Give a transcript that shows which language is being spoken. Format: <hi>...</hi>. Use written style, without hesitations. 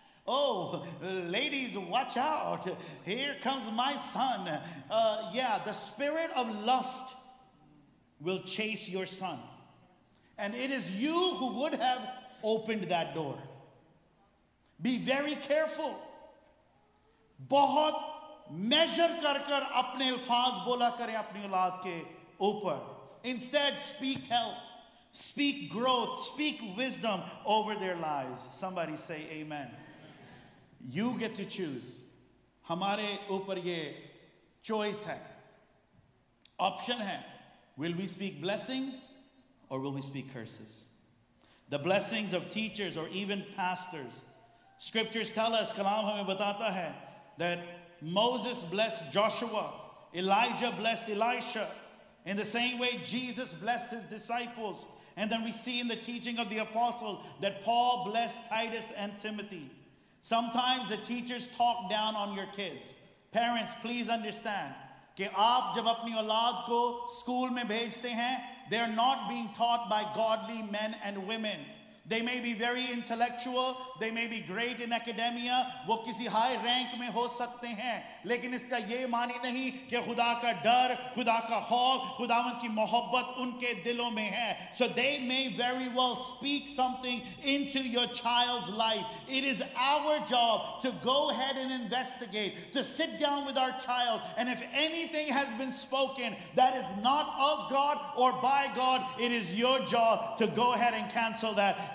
<en>Oh, ladies, watch out. Here comes my son. The spirit of lust will chase your son. And it is you who would have opened that door. Be very careful.</en> <hi>Bahut major कर कर अपने अल्फाज बोला करें अपनी औलाद के ऊपर.</hi> <en>Instead speak health, speak growth, speak wisdom over their lives. Somebody say amen. You get to choose.</en> <hi>हमारे ऊपर ये चॉइस है, ऑप्शन है.</hi> <en>Will we speak blessings और will we speak curses? The blessings of teachers और even pastors. Scriptures tell us,</en> <hi>कलाम हमें बताता है</hi> <en>That Moses blessed Joshua. Elijah blessed Elisha. In the same way, Jesus blessed his disciples. And then we see in the teaching of the apostles that Paul blessed Titus and Timothy. Sometimes the teachers talk down on your kids. Parents, please understand.</en> <hi>कि आप जब अपनी औलाद को school में भेजते हैं,</hi> <en>they are not being taught by godly men and women. They may be very intellectual. They may be great in academia.</en> <hi>वो किसी</hi> <en>high rank</en> <hi>में हो सकते हैं. लेकिन इसका ये मानी नहीं कि खुदा का डर, खुदा का खौफ, खुदावन की मोहब्बत उनके दिलों में है.</hi> <en>So they may very well speak something into your child's life. It is our job to go ahead and investigate, to sit down with our child, and if anything has been spoken that is not of God or by God, it is your job to go ahead and cancel that.</en>